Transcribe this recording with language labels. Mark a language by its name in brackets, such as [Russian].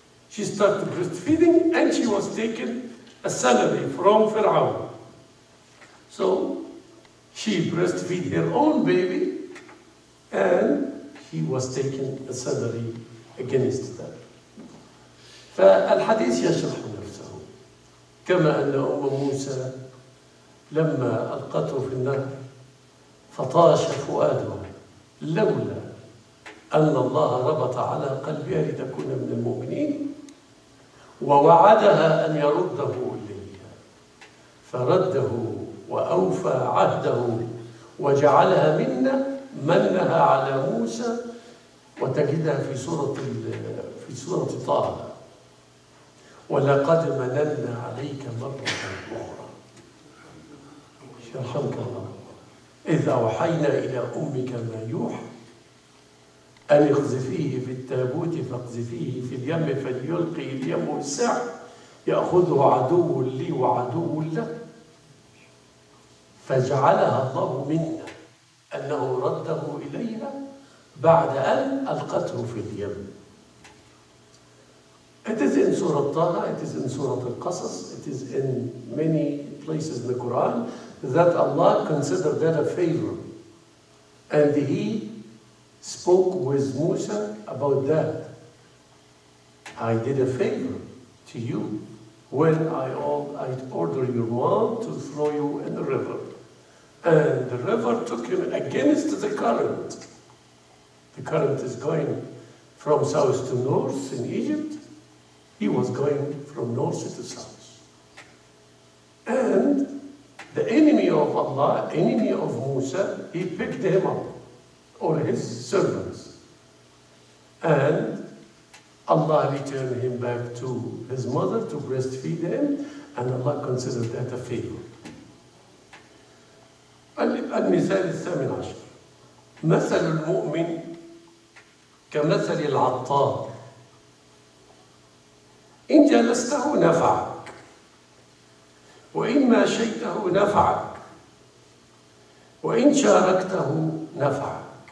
[English] She started breastfeeding and she was taking a salary from Fir'aun. So she breastfeed her own baby and he was taking a salary against that. [Arabic] فالحديث يشرح نفسه. كما أن أم موسى لما ألقته في النهر فطاش فؤادها لولا أن الله ربط على قلبها لتكون من المؤمنين ووعدها أن يرده إليها فرده وأوفى عهده وجعلها منا منها على موسى وتجدها في سورة طه ولقد مننا عليك مرة أخرى يرحمك الله إذا أوحينا إلى أمك ما يوحى أن اقذفيه في التابوت فاقذفيه في اليم فليلقي اليم السحر يأخذه عدو لي وعدو لك، فجعلها الله منا أنه رده إلينا بعد أن ألقته في اليم. [English] It is in سورة طه، it is in سورة القصص، it is in many places in the Quran that Allah considered that a favor. And he spoke with Musa about that. I did a favor to you when I ordered your mom to throw you in the river. And the river took him against the current. The current is going from south to north in Egypt. He was going from north to south. And the enemy of Allah, enemy of Musa, he picked him up, or his servants. And Allah returned him back to his mother to breastfeed him, and Allah considered that a favor. [Arabic] المثال الثامن عشر، مثل المؤمن كمثل العطار، إن جلسته نفعك وإن ماشيته نفعك وإن شاركته نفعك.